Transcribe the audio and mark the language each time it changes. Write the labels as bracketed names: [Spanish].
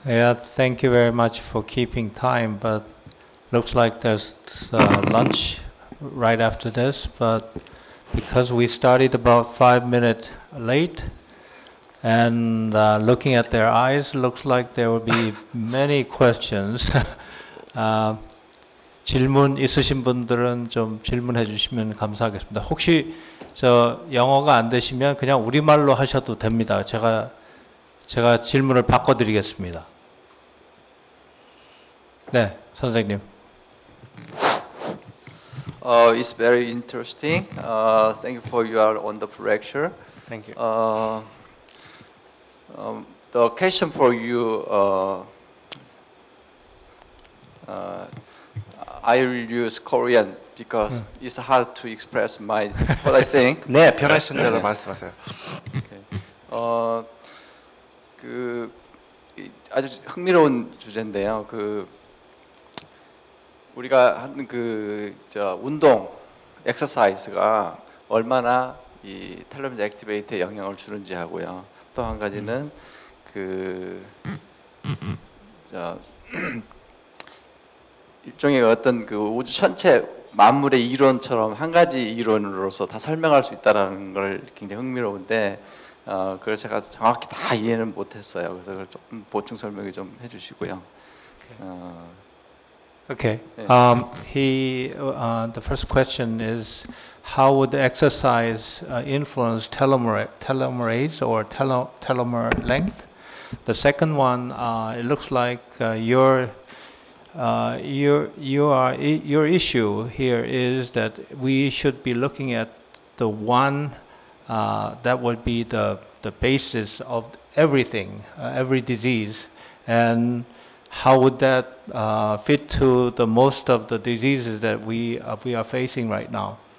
[English] Yeah, thank you very much for keeping time, but looks like there's lunch right after this, but because we started about 5 minutes late, and looking at their eyes, looks like there will be many questions. [Korean] 질문 있으신 분들은 좀 질문해 주시면 감사하겠습니다. 혹시 저 영어가 안 되시면 그냥 우리말로 하셔도 됩니다. 제가 질문을 바꿔드리겠습니다. 네, 선생님. [English] It's very interesting. Thank you for your wonderful lecture. Thank you. The question for you, I will use Korean because it's hard to express my what I think. [Korean] 네, 변하신 대로 말씀하세요. [English] Okay. [Korean] 그 아주 흥미로운 주제인데요. 그 우리가 하는 그 저 운동, 엑서사이즈가 얼마나 이 텔로메르 액티베이트에 영향을 주는지 하고요. 또 한 가지는 그 자 일종의 어떤 그 우주 전체 만물의 이론처럼 한 가지 이론으로서 다 설명할 수 있다라는 걸 굉장히 흥미로운데 그걸 제가 정확히 다 이해는 못했어요. 그래서 그걸 조금 보충 설명을 좀 해주시고요. [English] Okay. Yeah. The first question is, how would exercise influence telomere length? The second one, it looks like your issue here is that we should be looking at the one that would be the basis of everything, every disease, and how would that fit to the most of the diseases that we are facing right now?